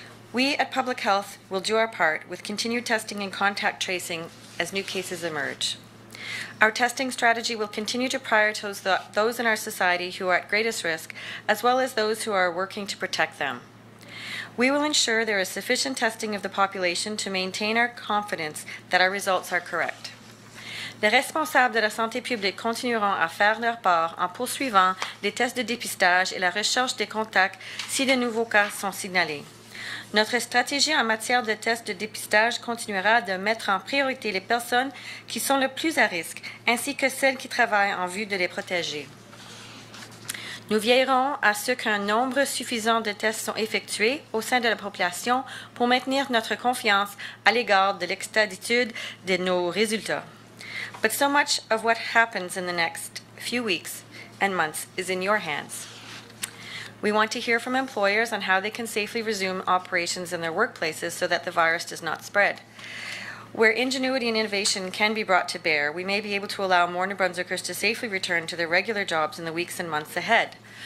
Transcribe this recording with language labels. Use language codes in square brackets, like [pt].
[en] We at Public Health will do our part with continued testing and contact tracing as new cases emerge. Our testing strategy will continue to prioritize those in our society who are at greatest risk, as well as those who are working to protect them. We will ensure there is sufficient testing of the population to maintain our confidence that our results are correct. [fr] Les responsables de la santé publique continueront à faire leur part en poursuivant les tests de dépistage et la recherche des contacts si de nouveaux cas sont signalés. Notre stratégie en matière de tests de dépistage continuera de mettre en priorité les personnes qui sont le plus à risque, ainsi que celles qui travaillent en vue de les protéger. Nous veillerons à ce qu'un nombre suffisant de tests soient effectués au sein de la population pour maintenir notre confiance à l'égard de l'exactitude de nos résultats. [en] But so much of what happens in the next few weeks and months is in your hands. We want to hear from employers on how they can safely resume operations in their workplaces so that the virus does not spread. Where ingenuity and innovation can be brought to bear, we may be able to allow more New Brunswickers to safely return to their regular jobs in the weeks and months ahead.